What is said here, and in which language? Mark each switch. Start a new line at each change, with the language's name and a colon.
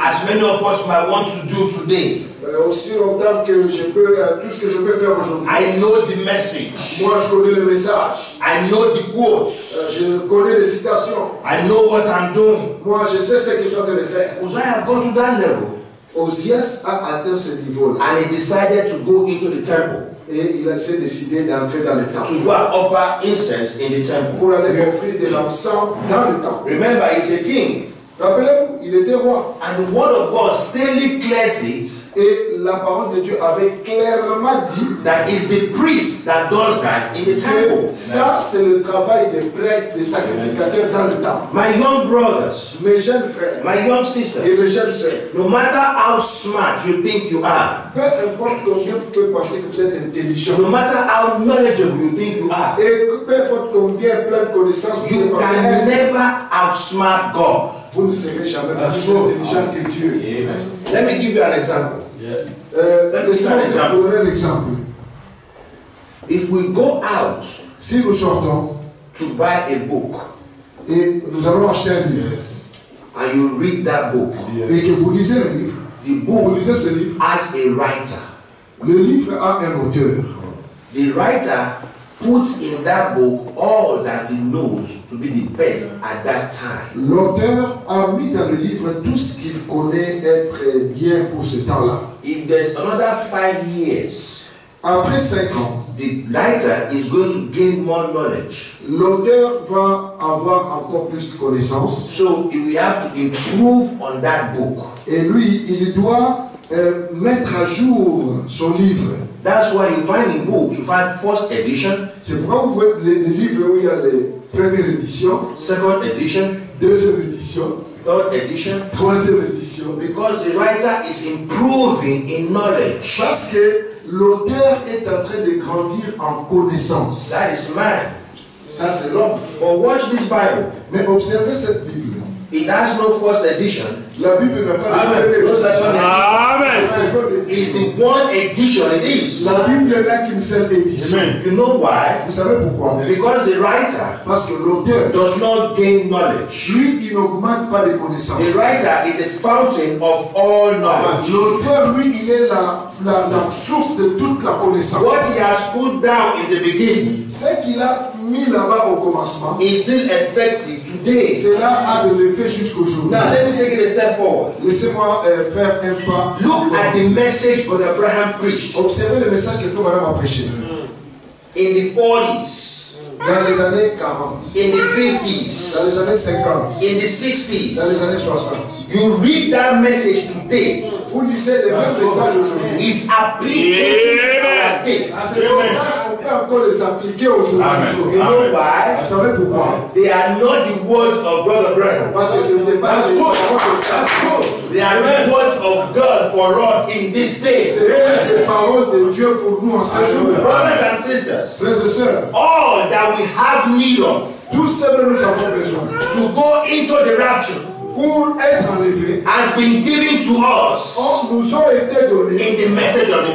English: As many of us might want to do today.
French: Aussi longtemps que je peux, tout ce que je peux faire aujourd'hui.
English: I know the message.
French: Moi, je connais le message.
English: I know the quotes.
French: Je connais les citations.
English: I know what I'm doing.
French: Moi, je sais ce que je suis en train de faire.
English: Uzziah has gone to that level.
French: Ozias a atteint ce niveau-là.
English: And he decided to go into the temple.
French: Et il a décidé d'entrer dans le temple.
English: To offer incense in the temple.
French: Pour aller offrir de l'encens dans le temple.
English: Remember, he's a king.
French: Rappelez-vous, il était roi.
English: And the word of God clearly clears it.
French: Et la parole de Dieu avait clairement dit
English: that is the priest that does that in the temple.
French: Ça, c'est le travail des prêtres, des sacrificateurs dans le temple.
English: My young brothers,
French: mes jeunes frères,
English: my young sisters,
French: et mes jeunes sœurs,
English: no matter how smart you think you are,
French: peu importe combien vous pouvez penser que vous êtes intelligent,
English: no matter how knowledgeable you think you are,
French: et peu importe combien plein de connaissances vous pouvez penser,
English: you can never outsmart God.
French: Vous ne serez jamais plus intelligent que Dieu.
English: Amen. Let me give you an example. Let me give you an example. If we go out,
French: si nous sortons,
English: to buy a book,
French: et nous allons acheter un livre,
English: yes, and you read that book,
French: yes, et que vous lisez le livre,
English: the book,
French: vous lisez ce livre,
English: as a writer,
French: le livre a un auteur,
English: the writer put in that book all that he knows to be the best at that time.
French: L'auteur a mis dans le livre tout ce qu'il connaît être bien pour ce temps-là.
English: If there's another 5 years,
French: après 5 ans,
English: the writer is going to gain more knowledge.
French: L'auteur va avoir encore plus de connaissances.
English: So we have to improve on that book.
French: Et lui, il doit mettre à jour son livre.
English: That's why you find in books, you find first edition.
French: C'est pourquoi vous voyez les livres où il y a les premières éditions.
English: Second edition.
French: Deuxième édition.
English: Third edition.
French: Troisième édition.
English: Because the writer is improving in knowledge.
French: Parce que l'auteur est en train de grandir en connaissance.
English: That is man.
French: Ça c'est l'homme.
English: But watch this Bible.
French: Mais observez cette Bible.
English: It has no first edition.
French: La Bible n'a pas de première édition. Amen.
English: Second edition. It's the one edition it is.
French: La Bible n'a qu'une seule édition.
English: Amen. You know why?
French: Vous savez pourquoi?
English: Because the writer.
French: Parce que l'auteur.
English: Does not gain knowledge.
French: Lui, il n'augmente pas les connaissances.
English: The writer is a fountain of all knowledge.
French: L'auteur, lui, il est la source de toute la connaissance.
English: What he has put down in the beginning.
French: Ce qu'il a mis là-bas au commencement.
English: Is still effective today.
French: Cela a de l'effet jusqu'aujourd'hui.
English: Step forward.
French: Laissez-moi faire un pas.
English: Look at the message that Abraham preached.
French: Observez le message que Frère Abraham a prêché.
English: In the 40s.
French: Dans les années 40.
English: In the 50s.
French: Dans les années 50.
English: In the 60s.
French: Dans les années 60.
English: You read that message today.
French: Vous lisez le même message aujourd'hui.
English: It's applicable today.
French: On peut encore les appliquer aujourd'hui.
English: You know why?
French: Vous savez pourquoi?
English: They are not the words of Brother Brennan.
French: Parce que ce n'est pas les paroles.
English: They are the words of God for us in this day.
French: C'est les paroles de Dieu pour nous en ce jour.
English: Brothers and sisters.
French: Frères et sœurs.
English: All that we have need of.
French: Tout ce dont nous avons besoin.
English: To go into the rapture.
French: Pour être enlevé.
English: Has been given to us.
French: On nous a été donné.
English: In the message of the